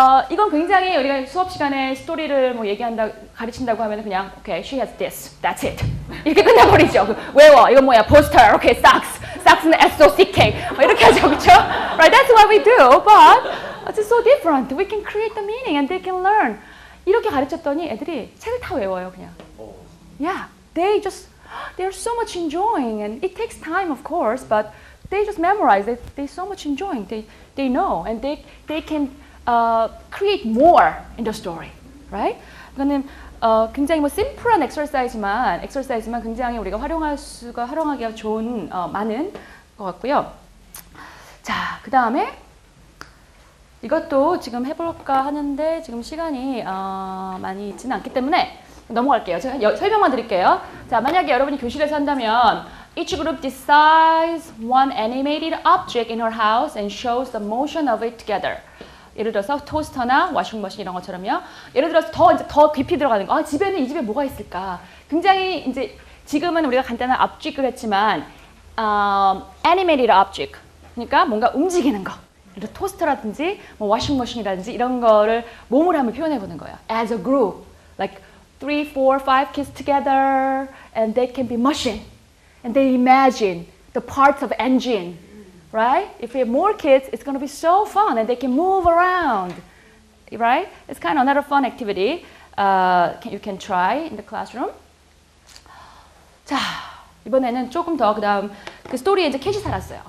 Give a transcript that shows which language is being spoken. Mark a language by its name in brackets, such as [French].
[Korean] 이건 굉장히 우리가 수업 시간에 스토리를 뭐 얘기한다 가르친다고 하면 그냥 [English] okay, she has this, that's it [Korean] 이렇게 끝나버리죠. 외워, 이건 뭐야, poster, okay, socks, socks는 S-O-C-K 뭐 이렇게 하죠, 그렇죠? [English] Right, that's what we do, but it's so different. We can create the meaning and they can learn. [Korean] 이렇게 가르쳤더니 애들이 책을 다 외워요, 그냥. [English] Yeah, they are so much enjoying and it takes time, of course, but they just memorize it. They're so much enjoying. They know and they can create more in the story, right? [Korean] 이거는 굉장히 뭐 심플한 exercise지만 굉장히 우리가 활용하기가 좋은 많은 것 같고요. 자, 그 다음에 이것도 지금 해볼까 하는데 지금 시간이 많이 있지는 않기 때문에 넘어갈게요. 제가 설명만 드릴게요. 자, 만약에 여러분이 교실에서 한다면 [English] Each group decides one animated object in her house and shows the motion of it together. [Korean] 예를 들어서 토스터나 워싱머신 이런 것처럼요. 예를 들어서 더 깊이 들어가는 거. 아, 집에는 이 집에 뭐가 있을까? 굉장히 이제 지금은 우리가 간단한 object을 했지만 animated object. 그러니까 뭔가 움직이는 거. 예를 들어 토스터라든지 뭐 워싱머신이라든지 이런 거를 몸으로 한번 표현해 보는 거예요. [English] As a group. Like 3, 4, 5 kids together and they can be machine. And they imagine the parts of engine, right? If we have more kids, it's going to be so fun and they can move around, right? It's kind of another fun activity you can try in the classroom. [Korean] 자, 이번에는 조금 더, 그 다음, 그 스토리에 이제 캣이 살았어요.